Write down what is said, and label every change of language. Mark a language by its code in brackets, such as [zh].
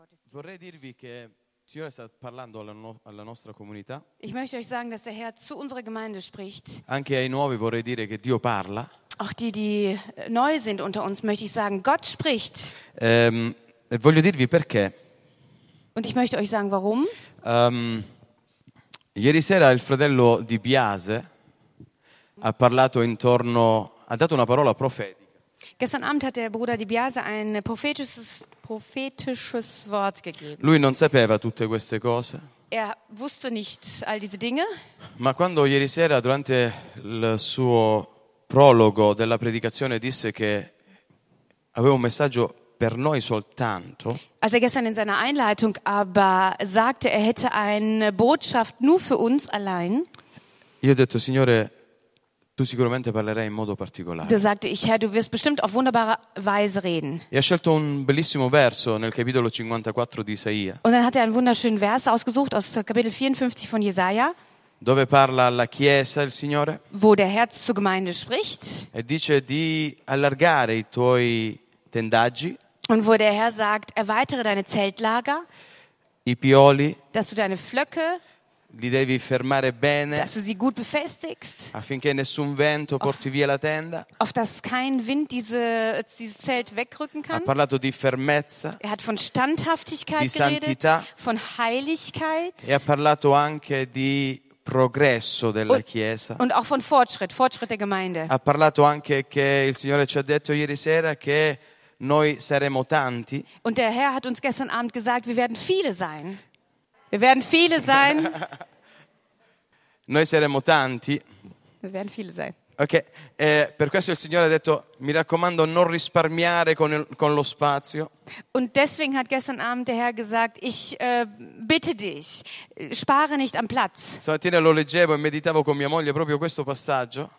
[it] Vorrei dirvi che il Signore sta parlando alla nostra comunità. [de] Ich möchte euch sagen, dass der Herr zu unserer Gemeinde spricht. [it] Anche ai nuovi vorrei dire che Dio parla. [de] Auch die, die neu sind unter uns, möchte ich sagen, Gott spricht. [it] E voglio dirvi perché. [de] Und ich möchte euch sagen, warum. [it] Ieri sera il fratello Di Biase ha parlato intorno, ha dato una parola profetica. [de] Gestern Abend hat der Bruder Di Biase ein prophetisches Wort gegeben. [it] Lui non sapeva tutte queste cose. [de] Er wusste nicht all diese Dinge. [it] Ma quando ieri sera durante il suo prologo della predicazione disse che aveva un messaggio per noi soltanto. [de] Als er gestern in seiner Einleitung aber sagte, er hätte eine Botschaft nur für uns allein. [it] Io ho detto, Signore, tu sicuramente parlerai in modo particolare. [de] Da sagte ich, Herr, du wirst bestimmt auf wunderbare Weise reden. [it] E ha scelto un bellissimo verso nel capitolo 54 di Isaia. [de] Und dann hat er einen wunderschönen Vers ausgesucht aus Kapitel 54 von Jesaja. [it] Dove parla alla Chiesa il Signore? [de] Wo der Herr zur Gemeinde spricht. [it] E dice di allargare i tuoi tendaggi. [de] Und wo der Herr sagt, erweitere deine Zeltlager. [it] I pioli. [de] Dass du deine Flöcke. [it] Li devi fermare bene. [de] Dass du sie gut befestigst. [it] Affinché nessun vento porti via la tenda. [de] Auf dass kein Wind dieses Zelt wegrücken kann. [it] Ha parlato di fermezza. [de] Er hat von Standhaftigkeit [it] di Santità, [de] geredet. Von Heiligkeit. [it] E ha parlato anche di progresso della Chiesa. [de] Und auch von Fortschritt der Gemeinde. [it] Ha parlato anche che il Signore ci ha detto ieri sera che noi saremo tanti. [de] Und der Herr hat uns gestern Abend gesagt, wir werden viele sein. Wir werden viele sein. [it] Noi saremo tanti. [de] Wir werden viele sein. Okay. [it] Per questo il Signore ha detto, mi raccomando, non risparmiare con lo spazio. [de] Und deswegen hat gestern Abend der Herr gesagt, ich bitte dich, spare nicht am Platz. [it] Stamattina lo leggevo e meditavo con mia moglie proprio questo passaggio.